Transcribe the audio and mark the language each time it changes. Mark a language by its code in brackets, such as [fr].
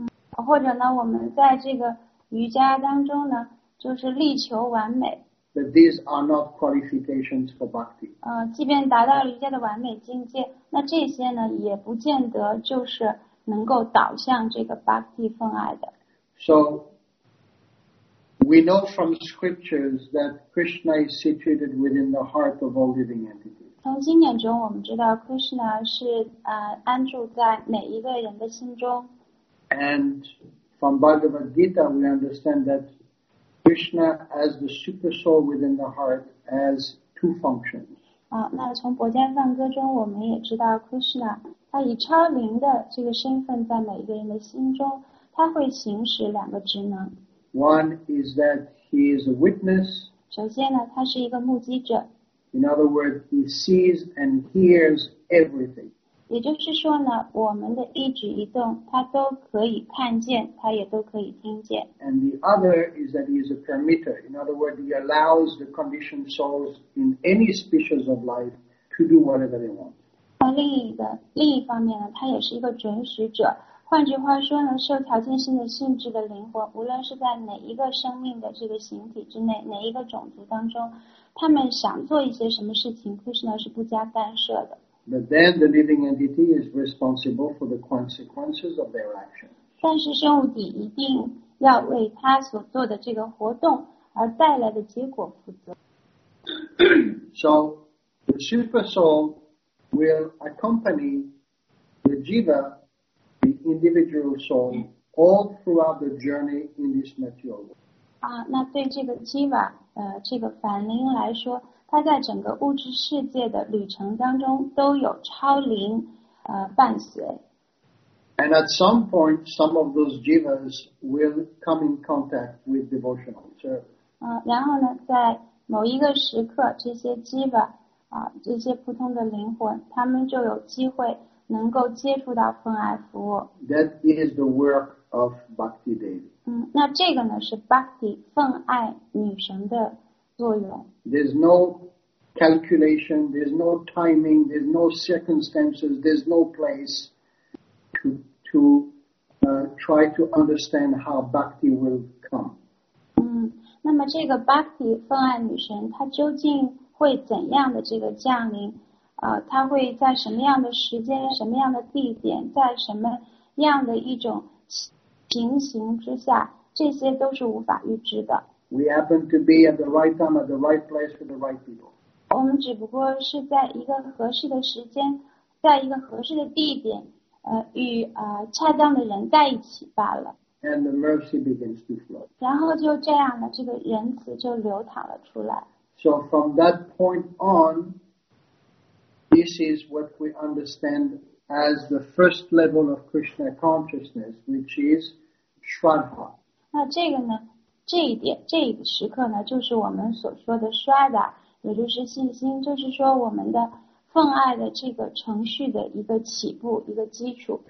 [zh] 或者呢，我们在这个瑜伽当中呢，就是力求完美。 [en] But these are not qualifications for bhakti. [zh] 即便达到瑜伽的完美境界，那这些呢也不见得就是能够导向这个 bhakti 分爱的。 [en] So. We know from scriptures that Krishna is situated within the heart of all living entities. [zh] 从经典中我们知道 Krishna 是安住在每一个人的心中。 [en] And from Bhagavad Gita we understand that Krishna as the super soul within the heart has two functions. [zh] 那从博伽梵歌中我们也知道 Krishna 他以超灵的这个身份在每一个人的心中，他会行使两个职能。 [en] One is that he is a witness. [zh] 首先呢，他是一个目击者。 [en] In other words, he sees and hears everything. [zh] 也就是说呢，我们的一举一动，他都可以看见，他也都可以听见。 [en] And the other is that he is a permitter. In other words, he allows the conditioned souls in any species of life to do whatever they want. [zh] 另一方面呢，他也是一个准许者。换句话说呢，受条件性的性质的灵魂，无论是在哪一个生命的这个形体之内，哪一个种族当中，他们想做一些什么事情，可是呢是不加干涉的。 [en] But then the living entity is responsible for the consequences of their actions. [zh] 但是生物体一定要为他所做的这个活动而带来的结果负责。 [en] So the super soul will accompany the jiva. The individual soul all throughout the journey in this material world. [zh] 那对这个 jiva, 这个凡灵来说，它在整个物质世界的旅程当中都有超灵伴随。 [en] And at some point, some of those jivas will come in contact with devotional service. [zh] 然后呢，在某一个时刻，这些 jiva, 这些普通的灵魂，他们就有机会。能够接触到奉爱服务。 [en] That is the work of Bhakti Devi. [zh] 那这个呢是 Bhakti 奉爱女神的作用。 [en] There's no calculation, there's no timing, there's no circumstances, there's no place to try to understand how Bhakti will come. [zh] 那么这个 Bhakti 奉爱女神，她究竟会怎样的这个降临？他会在什么样的时间、什么样的地点、在什么样的一种情形之下，这些都是无法预知的。 [en] We happen to be at the right time, at the right place for the right people. [zh] 我们只不过是在一个合适的时间，在一个合适的地点，与恰当的人在一起罢了。 [en] And the mercy begins to flow. [zh] 然后就这样的这个仁慈就流淌了出来。 [en] So from that point on. This is what we understand as the first level of Krishna consciousness, which is Shraddha. [zh] 那这个呢，这一点，这一个时刻呢，就是我们所说的 Shraddha, 也就是信心，就是说我们的奉爱的这个程序的一个起步，一个基础。